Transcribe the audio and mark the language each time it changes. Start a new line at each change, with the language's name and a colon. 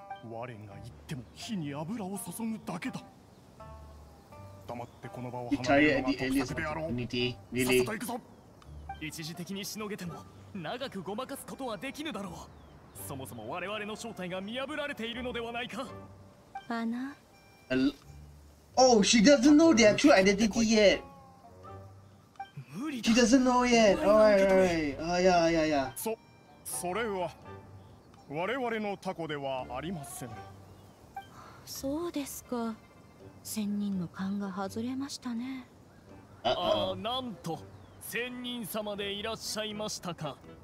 Japanese: 我が言っても火に油を注ぐだけだ。黙ってこの場を離れるのは得策であろう。さっさと行くぞ。一時的にしのげても、長くごまかすことはできぬだろう。そもそも我々の正体が見破られているのではないか。あな。
English: Oh, she doesn't know their true identity yet. He doesn't know yet. Alright. Yeah.
Japanese: So, それは我々のタコではありません。そうですか。仙人の勘が外れましたね。ああ、なんと仙人様でいらっしゃいましたか。